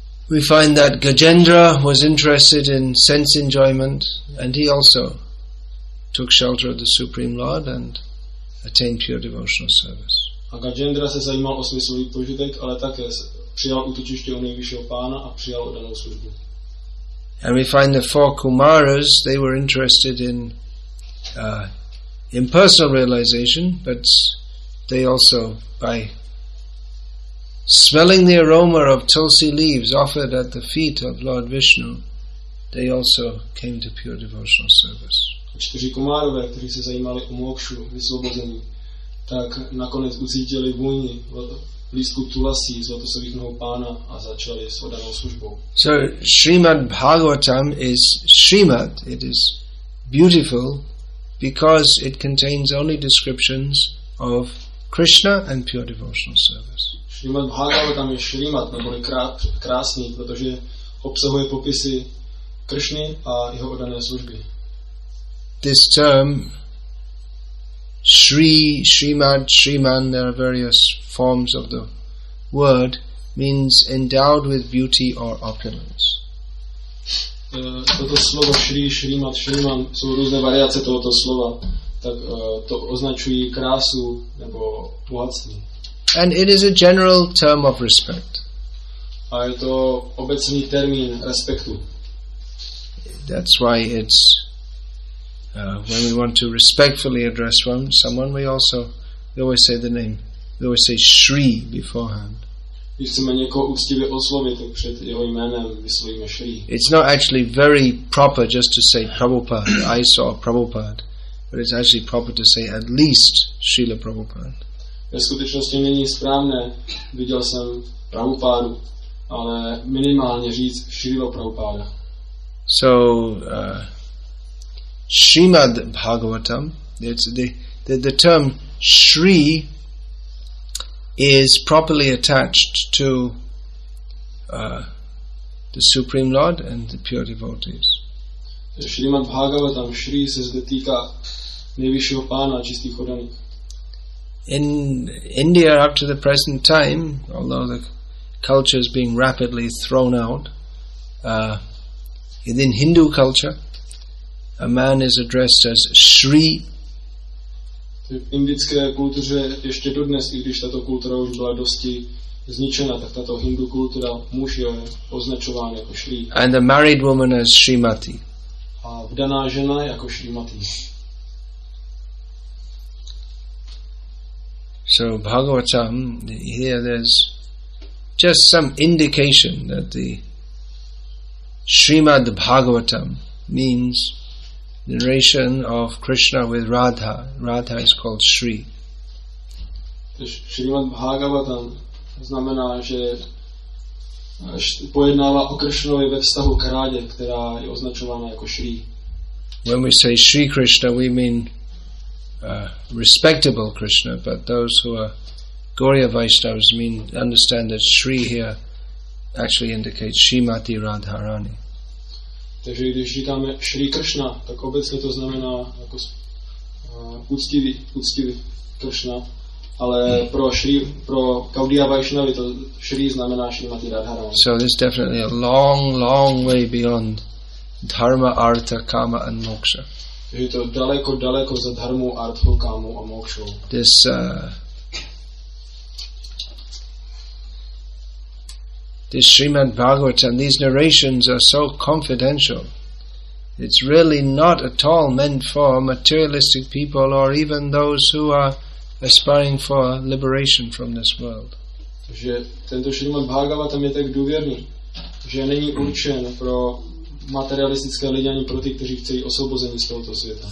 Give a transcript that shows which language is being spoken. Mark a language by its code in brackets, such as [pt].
[en] We find that Gajendra was interested in sense enjoyment, and he also took shelter of the Supreme Lord and attained pure devotional service. [cs] A Gajendra se zajímal o smyslový požitek, ale také přijal útočiště u nejvyššího pána a přijal oddanou službu. [en] And we find the four Kumaras, they were interested in impersonal realization, but they also, by smelling the aroma of tulsi leaves offered at the feet of Lord Vishnu, they also came to pure devotional service. [cs] Čtyři Kumárové, kteří se zajímali o mokšu, vysvobození, tak nakonec ucítili vůni lístku tulasí z lotosových nohou pána a začali s oddanou službou. [en] So Srimad Bhagavatam is Srimad. It is beautiful because it contains only descriptions of Krishna and pure devotional service. [cs] Srimad Bhagavatam je Srimad, neboli krásný, protože obsahuje popisy Krishny a jeho oddané služby. [en] This term Shri, Srimad, Sriman, there are various forms of the word, means endowed with beauty or opulence. [cs] Toto slovo Shri, Srimad, Sriman jsou různé variace tohoto slova, tak to označují krásu nebo bohatství. [en] And it is a general term of respect. [cs] A je to obecný termín respektu. [en] That's why it's when we want to respectfully address someone, we always say Shri beforehand. [cs] Když chceme někoho úctivě oslovit, tak před jeho jménem vyslovíme Shri. [en] It's not actually very proper just to say Prabhupada. I saw Prabhupada. But it's actually proper to say at least Srila Prabhupada. [cs] Ve skutečnosti není správné, viděl jsem Prabhupádu, ale minimálně říct Srila Prabhupáda. [en] So, Srimad Bhagavatam, it's the term Sri is properly attached to the Supreme Lord and the pure devotees. [cs] Srimad Bhagavatam, Sri se zde týká nejvyššího pána a čistých oddaných. [en] In India, up to the present time, although the culture is being rapidly thrown out, within Hindu culture, a man is addressed as Sri. [cs] V indické kultuře ještě dodnes, i když tato kultura už byla dosti zničena, tak tato hindu kultura muž je označován jako Sri. [en] And the married woman as Srimati. [cs] A vdaná žena jako Srimati. [en] So Bhagavatam, here there's just some indication that the Srimad Bhagavatam means the narration of Krishna with Radha. Radha is called Sri. [cs] Srimad Bhagavatam znamená, že pojednává o Krishnovi ve vztahu k Rádě, která je označována jako Sri. [en] When we say Sri Krishna, we mean respectable Krishna, but those who are Gaurya Vaishnavas mean understand that Sri here actually indicates Srimati Radharani. [cs] Takže když říkáme Sri Krishna, tak obecně to znamená jako úctivý Krishna, ale pro Gaudiya Vaishnavi to Sri znamená Srimati Radharani. [en] So this is definitely a long, long way beyond dharma, artha, kama and moksha. [cs] Je to daleko, daleko za dharmu, artho, kámu a mokšou. [en] This this Srimad Bhagavatam, these narrations are so confidential. It's really not at all meant for materialistic people or even those who are aspiring for liberation from this world. [cs] Takže tento Srimad Bhagavatam je tak důvěrný, že není určen pro materialistické lidi ani pro ty, kteří chtějí osvobození z tohoto světa.